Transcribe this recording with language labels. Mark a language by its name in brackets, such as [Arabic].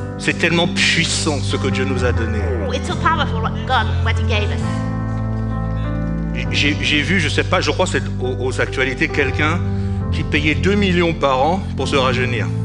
[French] C'est tellement puissant ce que Dieu nous a donné. [English] It's so powerful, God, what He gave us. [French] J'ai vu, je sais pas, je crois que c'est aux actualités, quelqu'un qui payait 2 millions par an pour se rajeunir.